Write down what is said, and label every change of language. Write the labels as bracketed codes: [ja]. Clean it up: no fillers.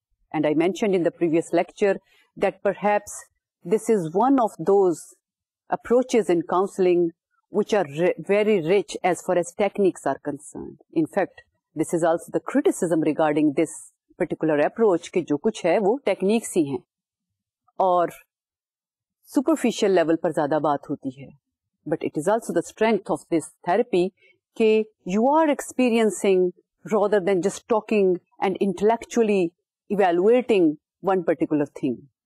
[en] And I mentioned in the previous lecture that perhaps this is one of those approaches in counselling which are very rich as far as techniques are concerned. In fact this is also the criticism regarding this particular approach [ur] کہ جو کچھ ہے وہ techniques ہی ہیں اور superficial level پر زیادہ بات ہوتی ہے. [en] But it is also the strength of this therapy کہ you are experiencing rather than just talking and intellectually evaluating one particular thing.